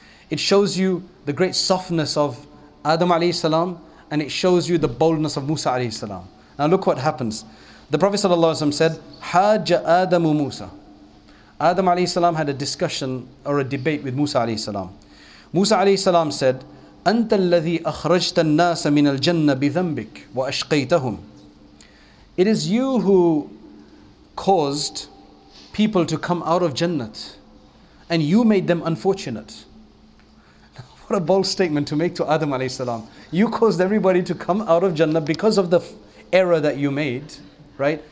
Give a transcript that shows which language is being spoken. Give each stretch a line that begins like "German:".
English: It shows you the great softness of Adam alayhi salam, and it shows you the boldness of Musa alayhi salam. Now look what happens. The Prophet sallallahu alayhi wa sallam said,
Arabic: Haja Adamu Musa.
English: Adam alayhi salam had a discussion or a debate with Musa alayhi salam. Musa alayhi salam said,
Arabic: أنت الذي أخرجت الناس من الجنة بذنبك وأشقيتهم.
English: It is you who caused people to come out of Jannah, and you made them unfortunate. What a bold statement to make to Adam alayhi salam. You caused everybody to come out of Jannah because of the error that you made, right?